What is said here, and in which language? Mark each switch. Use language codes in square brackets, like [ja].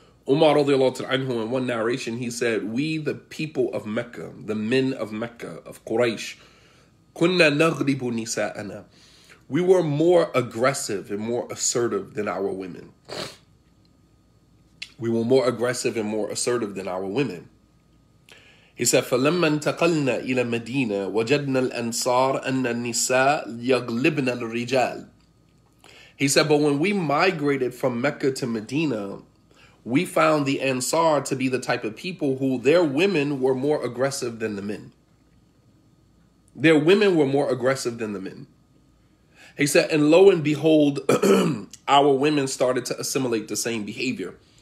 [en] Umar radiallahu ta'ala anhu, in one narration, he said, "We, the people of Mecca, the men of Mecca, of Quraysh, [ar] kunna naghdibu nisa'ana. [en] We were more aggressive and more assertive than our women. We were more aggressive and more assertive than our women." [ar] He said, "فَلَمَّا انْتَقَلْنَا إِلَى مَدِينَةٍ وَجَدْنَا الْأَنْصَارَ أَنَّ النِّسَاءَ يَغْلِبْنَ الرِّجَالَ." [en] He said, "But when we migrated from Mecca to Medina, we found the Ansar to be the type of people who their women were more aggressive than the men. Their women were more aggressive than the men." He said, "And lo and behold," our women started to assimilate the same behavior.